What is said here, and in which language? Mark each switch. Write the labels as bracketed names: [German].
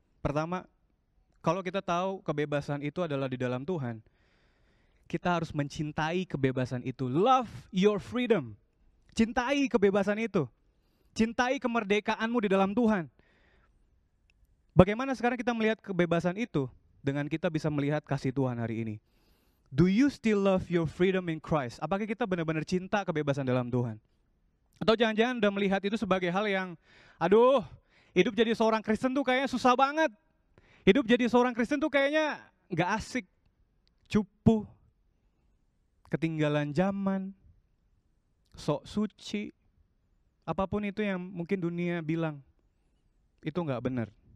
[Indonesian] Pertama, kalau kita tahu kebebasan itu adalah di dalam Tuhan, kita harus mencintai kebebasan itu. [English] Love your freedom. [Indonesian] Cintai kebebasan itu. Cintai kemerdekaanmu di dalam Tuhan. Bagaimana sekarang kita melihat kebebasan itu dengan kita bisa melihat kasih Tuhan hari ini? [English] Do you still love your freedom in Christ? [Indonesian] Apakah kita benar-benar cinta kebebasan dalam Tuhan? Atau jangan-jangan udah melihat itu sebagai hal yang, aduh, hidup jadi seorang Kristen tuh kayaknya susah banget. Hidup jadi seorang Kristen tuh kayaknya gak asik, cupu, ketinggalan zaman, sok suci, apapun itu yang mungkin dunia bilang, itu gak benar.